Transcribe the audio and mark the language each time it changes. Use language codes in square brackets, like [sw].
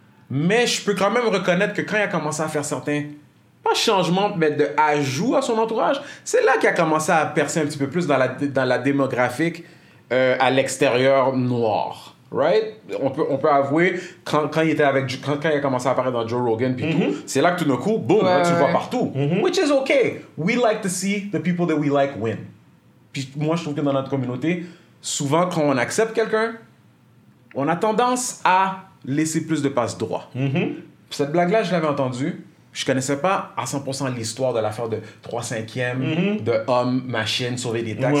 [fr] Mais je peux quand même reconnaître que quand il a commencé à faire certains... Pas changements, mais de ajouts à son entourage, c'est là qu'il a commencé à percer un petit peu plus dans la démographique à l'extérieur noir. Right? On peut avouer, quand il était avec, quand il a commencé à apparaître dans Joe Rogan, puis mm-hmm. tout, c'est là que tout d'un coup, boum, ouais, tu le vois partout. Mm-hmm. [en] Which is okay. We like to see the people that we like win. [fr] Puis moi, je trouve que dans notre communauté, souvent, quand on accepte quelqu'un, on a tendance à laisser plus de passe droit. Mm-hmm. Cette blague-là, je l'avais entendue. Je connaissais pas à 100% l'histoire de l'affaire de 3/5 mm-hmm. de homme, machine, sauver des taxes.